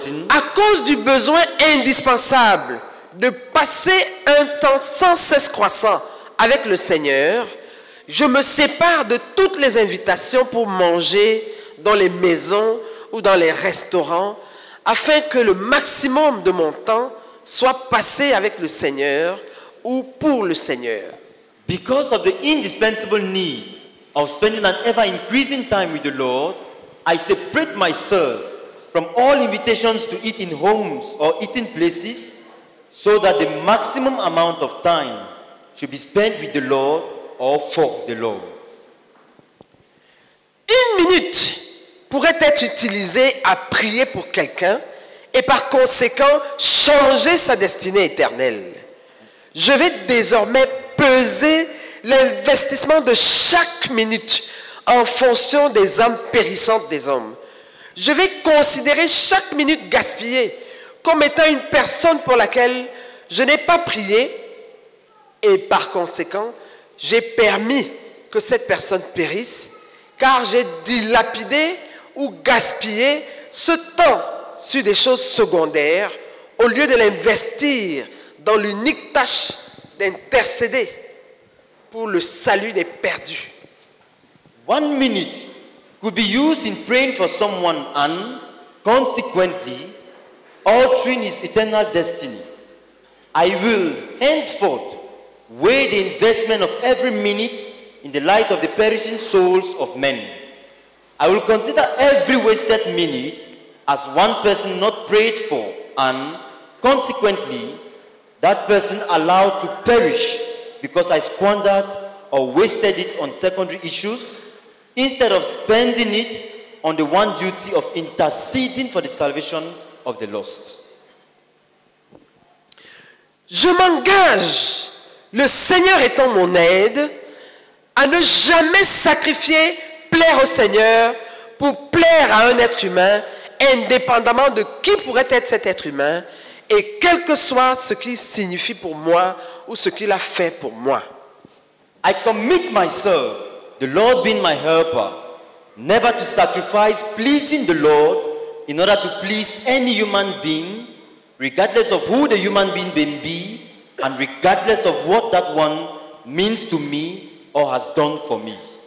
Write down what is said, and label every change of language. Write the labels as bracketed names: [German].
[French] À cause du besoin indispensable de passer un temps sans cesse croissant avec le Seigneur, je me sépare de toutes les invitations pour manger dans les maisons ou dans les restaurants, afin que le maximum de mon temps soit passé avec le Seigneur ou pour le Seigneur. [English] Because of the indispensable need of spending an ever increasing time with the Lord, I separate myself from all invitations to eat in homes or eating places, so that the maximum amount of time should be spent with the Lord or for the Lord. [French] Une minute pourrait être utilisé à prier pour quelqu'un et par conséquent changer sa destinée éternelle. Je vais désormais peser l'investissement de chaque minute en fonction des âmes périssantes des hommes. Je vais considérer chaque minute gaspillée comme étant une personne pour laquelle je n'ai pas prié et par conséquent j'ai permis que cette personne périsse, car j'ai dilapidé ou gaspillé ce temps sur des choses secondaires au lieu de l'investir dans l'unique tâche d'intercéder pour le salut des perdus. [English] 1 minute could be used in praying for someone and consequently altering his eternal destiny. I will henceforth weigh the investment of every minute in the light of the perishing souls of men. I will consider every wasted minute as one person not prayed for and consequently that person allowed to perish because I squandered or wasted it on secondary issues instead of spending it on the one duty of interceding for the salvation of the lost. [French] Je m'engage, le Seigneur étant mon aide, à ne jamais sacrifier, plaire au Seigneur pour plaire à un être humain, indépendamment de qui pourrait être cet être humain et quel que soit ce qu'il signifie pour moi ou ce qu'il a fait pour moi. [English] I commit myself, the Lord being my helper, never to sacrifice pleasing the Lord in order to please any human being, regardless of who the human being may be and regardless of what that one means to me or has done for me.